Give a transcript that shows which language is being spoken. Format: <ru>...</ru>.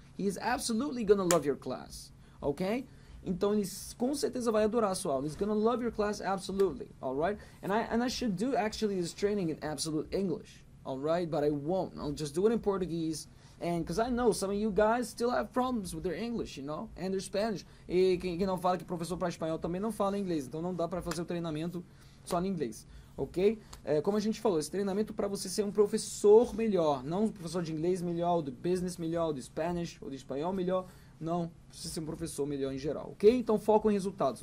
<en>He is absolutely gonna love your class, okay?</en> <pt>Então ele com certeza vai adorar a sua aula.</pt> <en>He's gonna love your class absolutely, all right? And I should do actually this training in absolute English, all right? But I won't. I'll just do it in Portuguese And because I know some of you guys still have problems with their English, you know, and their Spanish.</en> <pt>E quem não fala que professor para espanhol também não fala inglês. Então não dá para fazer o treinamento só em inglês, ok? É, como a gente falou, esse treinamento para você ser um professor melhor, não um professor de inglês melhor, ou de business melhor, ou de Spanish ou de espanhol melhor. Não, precisa ser um professor melhor em geral, ok? Então foco em resultados.</pt>